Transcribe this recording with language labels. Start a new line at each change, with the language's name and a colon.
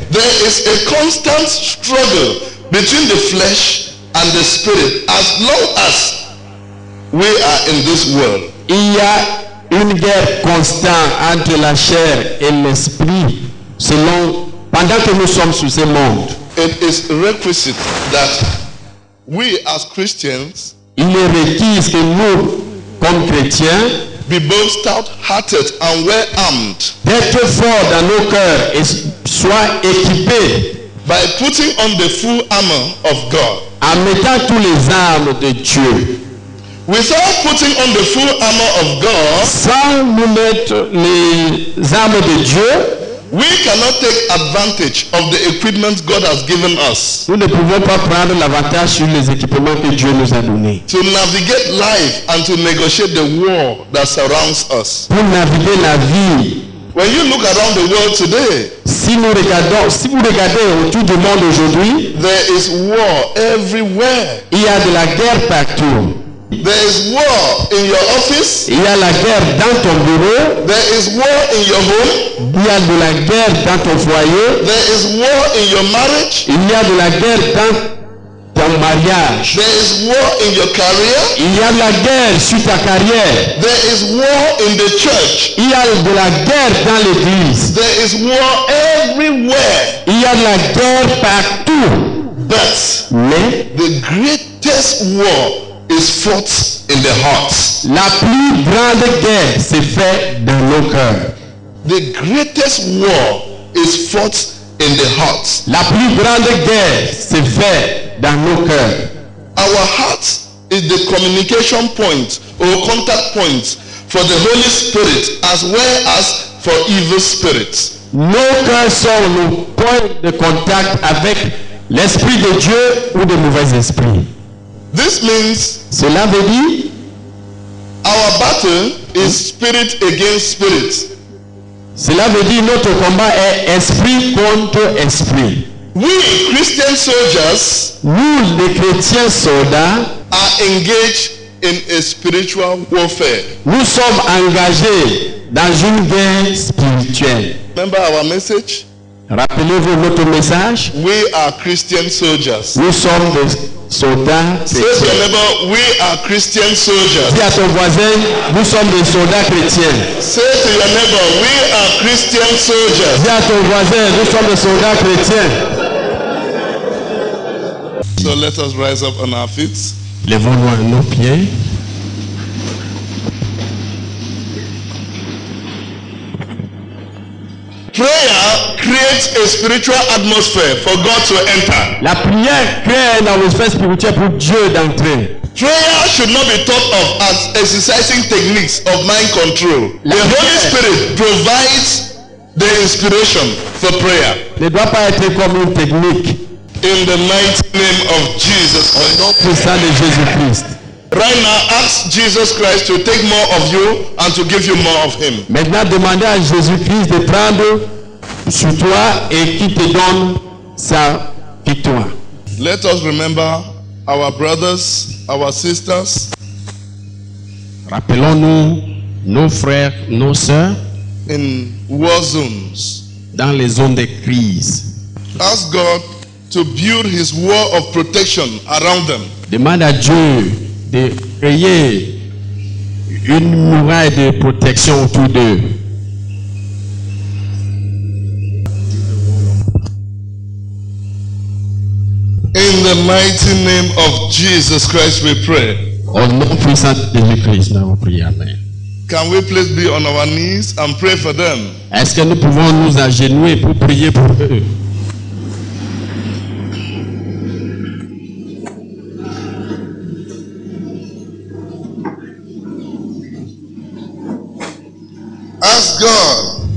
English: There is a constant struggle between the flesh and the spirit as long as we are in this world.
French: Il y a une guerre constante entre la chair et l'esprit selon pendant que nous sommes sur ce monde.
English: It is requisite that we as Christians,
French: il est requis que nous, comme chrétiens,
English: be both stout-hearted and well-armed.
French: D'être fort dans nos cœurs et soit équipé.
English: By putting on the full armor of God.
French: En mettant tous les armes de Dieu.
English: Without putting on the full armor of God.
French: Sans nous mettre les armes de Dieu.
English: We cannot take advantage of the equipment God has given us.
French: Nous ne pouvons pas prendre l'avantage sur les équipements que Dieu nous a donnés.
English: To navigate life and to negotiate the war that surrounds us.
French: Pour naviguer la vie.
English: When you look around the world today,
French: si vous regardez autour du monde aujourd'hui,
English: there is war everywhere.
French: Il y a de la guerre partout.
English: There is war in your office.
French: Il y a la guerre dans ton bureau.
English: There is war in your home.
French: Il y a de la guerre dans ton foyer.
English: There is war in your marriage.
French: Il y a de la guerre dans ton mariage.
English: There is war in your career.
French: Il y a de la guerre sur ta carrière.
English: There is war in the church.
French: Il y a de la guerre dans l'église.
English: There is war everywhere.
French: Il y a de la guerre partout.
English: But
French: mais
English: the greatest war is fought in the heart.
French: La plus grande guerre se fait dans le cœur.
English: The greatest war is fought in the heart.
French: La plus grande guerre se fait dans le cœur.
English: Our heart is the communication point or contact point for the Holy Spirit as well as for evil spirits.
French: N'aucun sort le point de contact avec l'esprit de Dieu ou de mauvais esprits.
English: This means
French: cela veut dire
English: our battle is spirit against spirit.
French: Cela veut dire notre combat est esprit contre esprit.
English: We Christian soldiers,
French: nous les chrétiens soldats,
English: are engaged in a spiritual warfare.
French: Nous sommes engagés dans une guerre spirituelle.
English: Remember our message?
French: Rappelez-vous notre message?
English: We are Christian soldiers.
French: Nous sommes des soldats chrétiens.
English: Say to your neighbor, we are Christian soldiers.
French: Dis à ton voisin, nous sommes des soldats chrétiens.
English: Say to your neighbor, we are Christian soldiers.
French: Dis à ton voisin, nous sommes des soldats chrétiens.
English: So let us rise up on our feet.
French: Levons-nous à nos pieds.
English: Prayer creates a spiritual atmosphere for God to enter.
French: La prière crée une atmosphère spirituelle pour Dieu d'entrer.
English: Prayer should not be thought of as exercising techniques of mind control. The Holy Spirit provides the inspiration for prayer.
French: Ne doit pas être comme une technique.
English: In the mighty name of Jesus Christ.
French: Au nom de Jésus Christ.
English: Right now, ask Jesus Christ to take more of you and to give you more of Him.
French: Maintenant, demandez à Jésus Christ de prendre sur toi et qu'il te donne sa victoire.
English: Let us remember our brothers, our sisters.
French: Rappelons-nous nos frères, nos sœurs.
English: In war zones.
French: Dans les zones de crise.
English: Ask God to build His wall of protection around them.
French: Demande à Dieu de créer une muraille de protection autour d'eux.
English: In the mighty name of Jesus Christ, we pray.
French: Au nom puissant de Jésus-Christ, nous avons prié.
English: Amen. Can we please be on our knees and pray for them?
French: Est-ce que nous pouvons nous agenouiller pour prier pour eux?
English: Ask God.